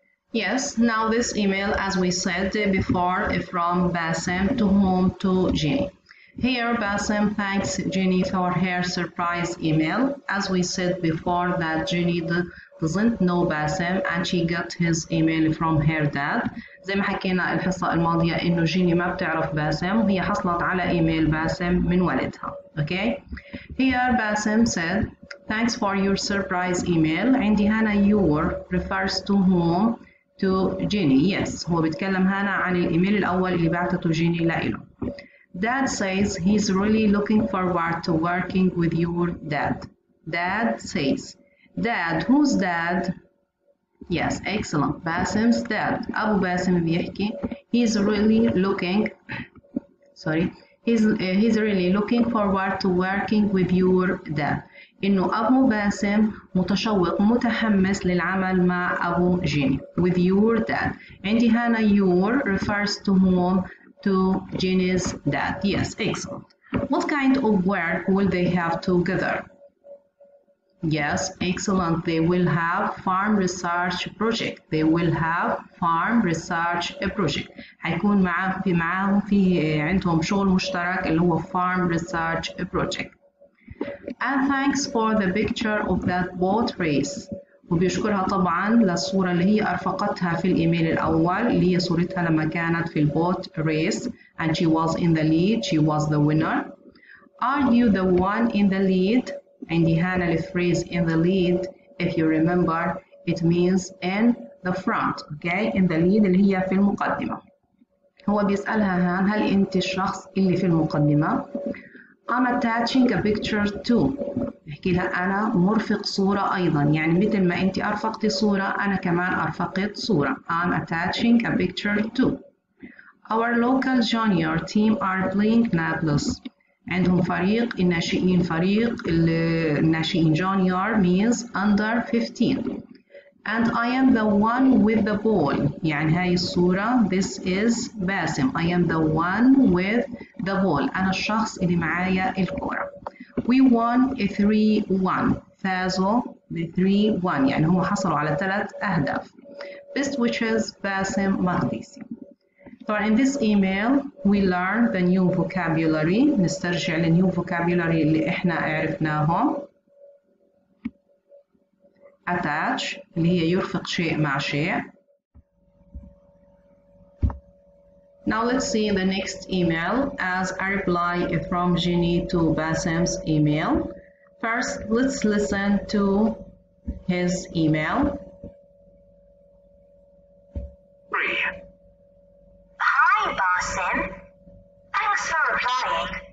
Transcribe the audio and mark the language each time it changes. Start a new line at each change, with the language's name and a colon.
English: Yes, now this email, as we said before, from Basim to whom? To Jenny. Here, Basim thanks Jenny for her surprise email. As we said before, that Jenny doesn't know Basim and she got his email from her dad.
Arabic: زي ما حكينا الحصة الماضية إنه جيني ما بتعرف باسم وهي حصلت على إيميل باسم من والدها.
English: Okay. Here Basim said, thanks for your surprise email.
Arabic: عندي هنا
English: your refers to whom? To Jenny. Yes.
Arabic: هو بيتكلم هنا عن الإيميل الأول اللي بعتته جيني لإله.
English: Dad says he's really looking forward to working with your dad. Dad says. Dad, who's dad? Yes, excellent. Basim's dad. Abu Basim
Arabic: بيحكي.
English: He's really looking. Sorry. He's really looking forward to working with your dad.
Arabic: إنه أبو باسم متشوق متحمس للعمل مع أبو جيني.
English: With your dad.
Arabic: عندي هنا
English: your refers to whom? To Jenny's dad. Yes, excellent. What kind of work will they have together? Yes, excellent. They will have farm research project. They will have farm research project.
Arabic: هيكون معاهم في عندهم شغل مشترك اللي هو
English: farm research project. And thanks for the picture of that boat race.
Arabic: وبيشكرها طبعا للصورة اللي هي أرفقتها في الإيميل الأول اللي هي صورتها لما كانت في البوت ريس.
English: And she was in the lead. She was the winner. Are you the one in the lead?
Arabic: عندي هنا الفريز
English: in the lead. If you remember, it means in the front. Okay, in the lead
Arabic: اللي هي في المقدمة. هو بيسألها هان هل أنت الشخص اللي في المقدمة؟
English: I'm attaching a picture too.
Arabic: بحكي لها أنا مرفق صورة أيضا. يعني مثل ما أنت أرفقت صورة أنا كمان أرفقت صورة.
English: I'm attaching a picture too. Our local junior team are playing Nablus.
Arabic: عندهم فريق الناشئين. فريق الناشئين
English: junior means under 15. And I am the one with the ball.
Arabic: يعني هاي الصورة.
English: This is Basim. I am the one with the ball.
Arabic: أنا الشخص اللي معايا الكرة.
English: We won 3-1.
Arabic: فازوا 3-1. يعني هم حصلوا على 3 أهداف.
English: Best wishes, Basim Magdisi. So in this email, we learned the new vocabulary.
Arabic: نسترجع النيو vocabulary اللي إحنا عرفناهم. Attach, اللي هي يرفق شيء مع شيء.
English: Now let's see the next email as a reply from Jenny to Basim's email. First, let's listen to his email. Hi, Basim. Thanks for replying.